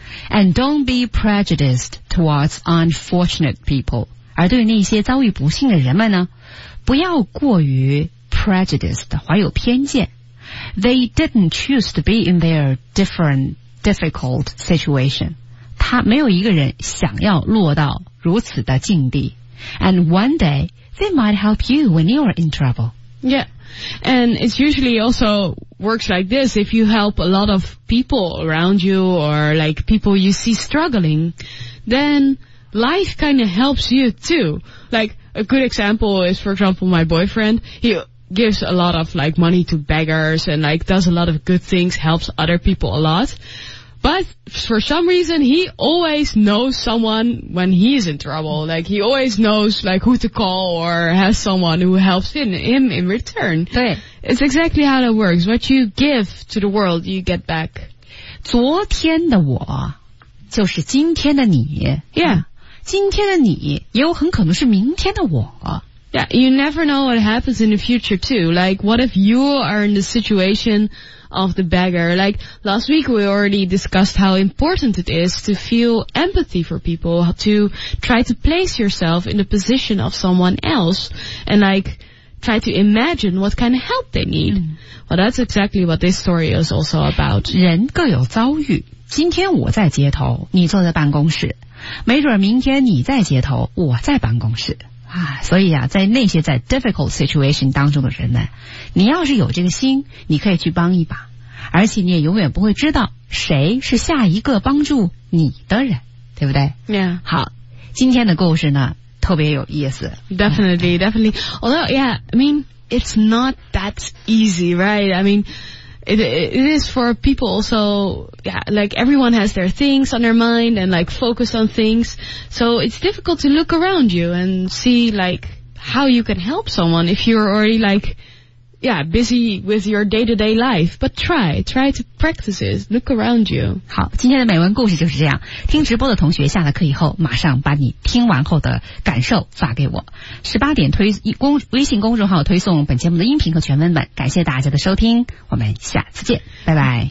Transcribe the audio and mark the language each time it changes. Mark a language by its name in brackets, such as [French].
[English] And don't be prejudiced towards unfortunate people. [Chinese] 而对那些遭遇不幸的人们呢，不要过于 prejudiced, 怀有偏见。 [English] They didn't choose to be in their different difficult situation. [Chinese] 他没有一个人想要落到如此的境地。 [English] And one day, they might help you when you are in trouble. Yeah. And it's usually also works like this. If you help a lot of people around you or like people you see struggling, then life kind of helps you too. Like a good example is, for example, my boyfriend. He gives a lot of like money to beggars and like does a lot of good things, helps other people a lot. But for some reason, he always knows someone when he is in trouble. Like he always knows like who to call or has someone who helps him in return. [Chinese] 对 [English] It's exactly how that works. What you give to the world, you get back. [Chinese] 昨天的我就是今天的你 [English] Yeah. [Chinese] 今天的你也有很可能是明天的我 [English] Yeah, you never know what happens in the future too. Like what if you are in the situation... of the beggar. Like last week we already discussed how important it is to feel empathy for people, to try to place yourself in the position of someone else and like try to imagine what kind of help they need.、Mm. Well, that's exactly what this story is also about. [Chinese] 人各有遭遇。今天我在街头，你坐在办公室。没准明天你在街头，我在办公室。所以啊在那些在 [English] difficult situation [Chinese] 当中的人呢你要是有这个心你可以去帮一把而且你也永远不会知道谁是下一个帮助你的人对不对 [English] Yeah. [Chinese] 好今天的故事呢特别有意思 [English] Definitely, definitely. Although, yeah, I mean, it's not that easy, right? I mean, it is for people also, yeah, like everyone has their things on their mind and like focus on things. So it's difficult to look around you and see like how you can help someone if you're already like, yeah, busy with your day-to-day life, but try to practice it. Look around you. [Chinese] 好，今天的美文故事就是这样。听直播的同学下了课以后，马上把你听完后的感受发给我。 18点微信公众号推送本节目的音频和全文本。感谢大家的收听，我们下次见，拜拜。